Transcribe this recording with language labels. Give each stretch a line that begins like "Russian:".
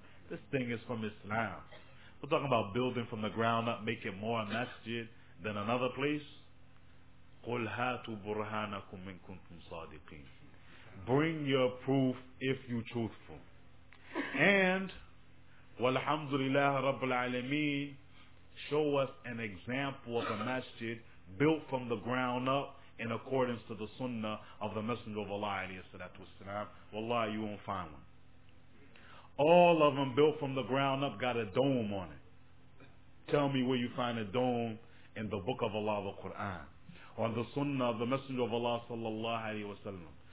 English: This thing is from Islam. We're talking about building from the ground up, make it more a masjid than another place.
Arabic: قُلْ هَاتُوا بُرْهَانَكُمْ مِنْ كُنْتُمْ صَادِقِينَ.
English: Bring your proof if you truthful.
Arabic: And وَالْحَمْدُ لِلَّهِ رَبِّ الْعَالَمِينَ.
English: Show us an example of a masjid built from the ground up in accordance to the sunnah of the Messenger of Allah
Arabic: عليه الصلاة والسلام.
English: Wallahi, you won't find one. All of them built from the ground up got a dome on it. Tell me where you find a dome in the book of Allah, the Quran, on the sunnah of the Messenger of Allah sallallahu alayhi wa sallam.